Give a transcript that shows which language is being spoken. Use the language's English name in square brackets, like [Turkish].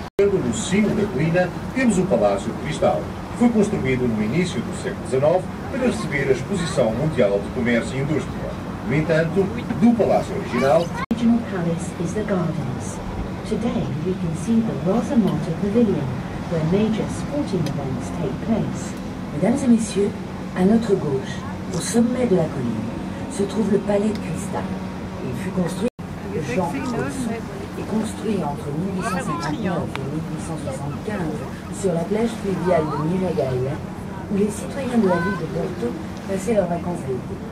[Portuguese] no cimo da colina, temos o Palácio de Cristal, que foi construído no início do século XIX para receber a Exposição Mundial de Comércio e Indústria. No entanto, do Palácio Original... [English] The original palace is the gardens. Today we can see the Rosamonte Pavilion, where major sporting events take place. [French] Mesdames et messieurs, à notre gauche, au sommet de la colline, se trouve le Palais de Cristal. Il fut construit par Jean Cousson. Construit entre 1859 et 1875 sur la plage fluviale de Miragaï, où les citoyens de la ville de Porto passaient leurs vacances d'été.